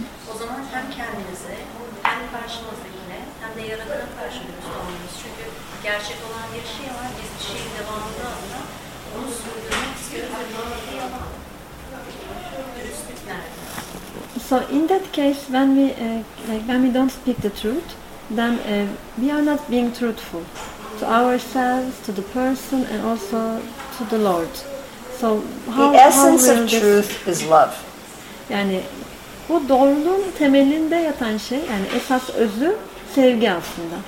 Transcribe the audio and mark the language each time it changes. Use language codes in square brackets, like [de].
[tr] O zaman hem kendinize, hem karşımızdakine, hem de yaradana karşı dürüst olmamız. Çünkü gerçek olan bir şey var. Biz bir şeyin devamını adına onu sürdürmek istiyoruz. Ve doğru bir yalan. Dürüstlük nerede? [en] So in that case, when we don't speak the truth, then we are not being truthful to ourselves, to the person, and also to the Lord. So the essence of truth is love. [tr] Yani bu doğruluğun temelinde yatan şey, yani esas özü sevgi aslında.